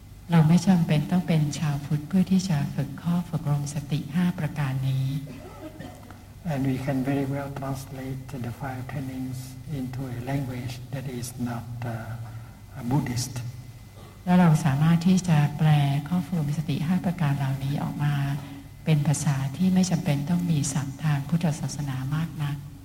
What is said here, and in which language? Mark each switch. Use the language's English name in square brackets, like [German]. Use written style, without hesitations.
[Thai] เราไม่จำเป็นต้องเป็นชาวพุทธเพื่อที่จะฝึกข้อฝึกรมสติ5ประการนี้ [English] And we can very well translate the five trainings into a language that is not Buddhist [Thai] แล้วเราสามารถที่จะแปลข้อฝึกรมสติ5ประการเหล่านี้ออกมาเป็นภาษาที่ไม่จำเป็นต้องมีศัพท์ทางพุทธศาสนามากนัก